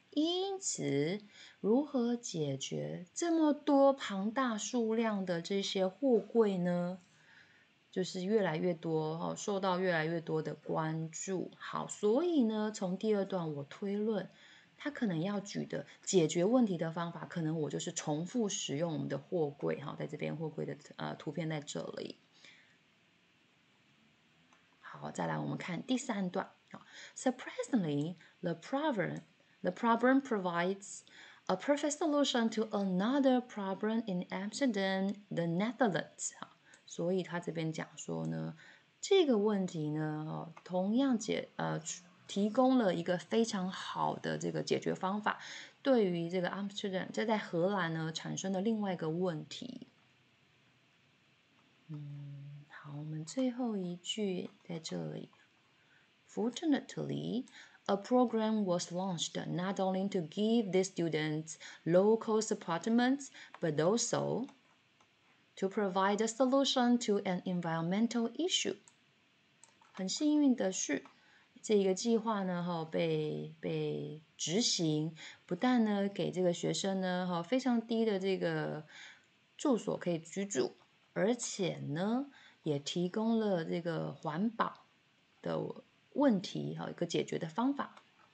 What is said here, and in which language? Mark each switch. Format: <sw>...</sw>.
<zh>因此如何解决这么多庞大数量的这些货柜呢，就是越来越多，受到越来越多的关注。好，所以呢从第二段我推论他可能要举的解决问题的方法，可能我就是重复使用我们的货柜，在这边货柜的图片在这里。好，再来我们看第三段。</zh> <en>Surprisingly, the problem provides a perfect solution to another problem in Amsterdam, the Netherlands.</en> <zh>所以他这边讲说呢，这个问题呢，同样提供了一个非常好的这个解决方法，对于这个 Amsterdam 这在荷兰呢产生的另外一个问题。好，我们最后一句在这里。</zh> <en>Fortunately, a program was launched not only to give the students low-cost apartments, but also to provide a solution to an environmental issue.</en> <zh>很幸运的是，这个计划呢，被执行，不但呢给这个学生呢，非常低的这个住所可以居住，而且呢，也提供了这个环保的问题和一个解决的方法。</zh>